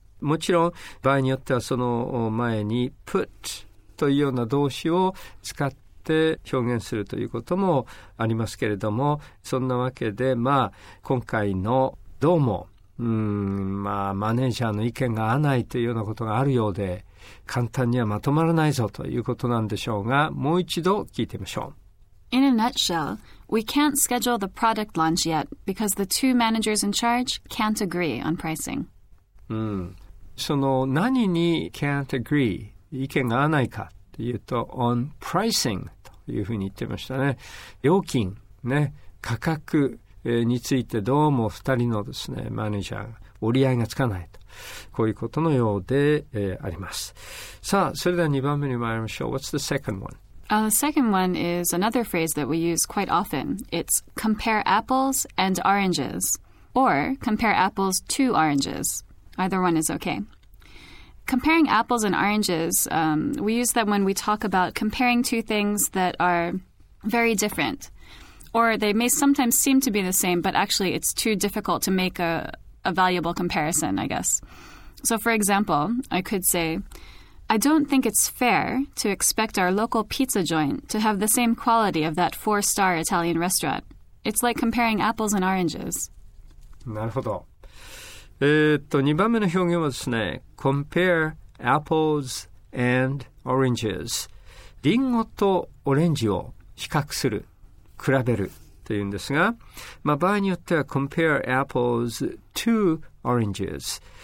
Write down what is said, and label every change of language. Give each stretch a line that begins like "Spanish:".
Japanese: もちろん場合によってはその前に put というような動詞を使って表現するということもありますけれども、そんなわけでまあ今回のどうもまあマネージャーの意見が合わないというようなことがあるようで、簡単にはまとまらないぞということなんでしょうが、もう一度聞いてみましょう。
English: In a nutshell, we can't schedule the product launch yet because the two managers in charge can't agree on pricing.
Japanese: その何に can't agree、 意見が合わないかというと on pricing というふうに言ってましたね。料金ね、価格についてどうも2人のですねマネージャー折り合いがつかないと、こういうことのようで、あります。さあ、それでは2番目に参りましょう。
English: What's the second one? The second one is another phrase that we use quite often. It's compare apples and oranges, or compare apples to orangesEither one is okay. Comparing apples and oranges, we use them when we talk about comparing two things that are very different. Or they may sometimes seem to be the same, but actually it's too difficult to make a valuable comparison, I guess. So for example, I could say, I don't think it's fair to expect our local pizza joint to have the same quality of that 4-star Italian restaurant. It's like comparing apples and oranges.
Japanese: なるほど。 2番目の表現はですね、compare apples and oranges、 リンゴとオレンジを比較する、比べるというんですが、まあ、場合によっては compare apples to oranges、